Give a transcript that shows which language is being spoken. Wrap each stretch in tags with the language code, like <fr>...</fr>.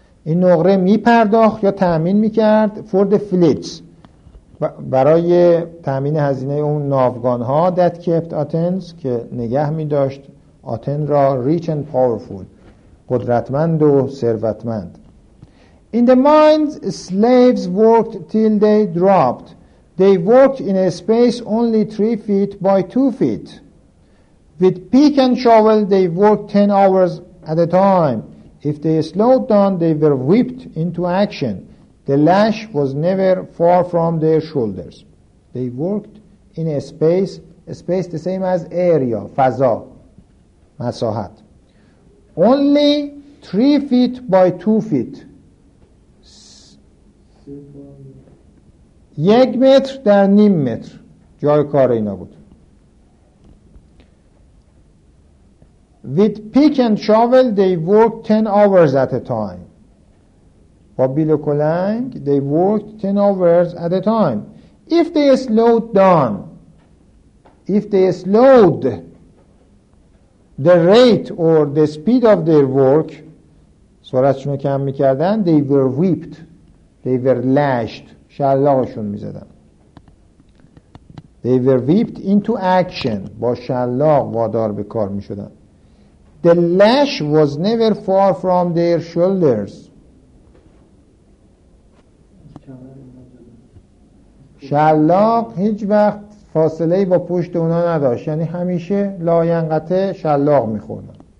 <fa>این نقره میپرداخت یا تأمین میکرد</fa> <en>for the fleets،</en> <fa>برای تأمین هزینه اون ناوگان ها.</fa> <en>That kept Athens،</en> <fa>که نگه میداشت آتن را،</fa> <en>rich and powerful،</en> <fa>قدرتمند و ثروتمند.</fa> <en>In the mines slaves worked till they dropped. They worked in a space only 3 feet by 2 feet. With pick and shovel, they worked 10 hours at a time. If they slowed down, they were whipped into action. The lash was never far from their shoulders. They worked in a space the same as area,</en> <fa>فضا، مساحت.</fa> <en>Only 3 feet by 2 feet.</en> <fa>1 meter در نیم متر جای کار اینا بود.</fa> <en>With pick and shovel they worked 10 hours at a time.</en> <fa>با بیل و کلنگ</fa> <en>they worked 10 hours at a time. If they slowed the rate or the speed of their work،</en> <fa>سرعتشون رو کم میکردن،</fa> <en>they were whipped، they were lashed،</en> <fa>شلاقشون میزدن.</fa> <en>They were whipped into action،</en> <fa>با شلاق وادار به کار میشدن.</fa> <en>The lash was never far from their shoulders.</en> <fa>شلاق هیچ وقت فاصله با پشت اونا نداشت، یعنی همیشه لاینقطع شلاق میخوردن.</fa>